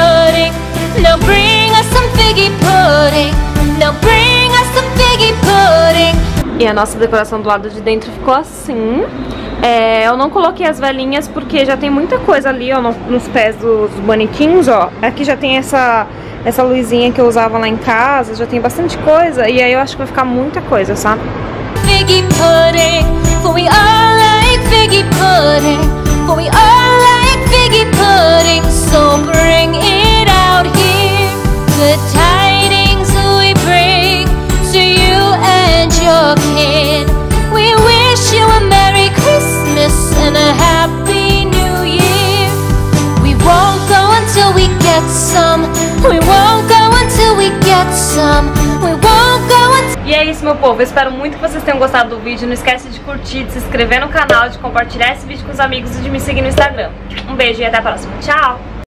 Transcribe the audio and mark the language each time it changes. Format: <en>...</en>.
<en>figgy pudding. Now bring us some figgy pudding.</en> <pt>E a nossa decoração do lado de dentro ficou assim. É, eu não coloquei as velinhas porque já tem muita coisa ali, ó, nos pés dos bonequinhos, ó. Aqui já tem essa luzinha que eu usava lá em casa, já tem bastante coisa. E aí eu acho que vai ficar muita coisa, sabe?</pt> <en>Figgy pudding, for we all like figgy pudding. For we all like figgy pudding. So bring it out here. Good tidings we bring to you and your kin. We wish you a Merry Christmas and a Happy New Year. We won't go until we get some. We won't go until we get some. We won't go until...</en> <pt>E é isso, meu povo. Eu espero muito que vocês tenham gostado do vídeo. Não esquece de curtir, de se inscrever no canal, de compartilhar esse vídeo com os amigos e de me seguir no Instagram. Um beijo e até a próxima. Tchau!</pt>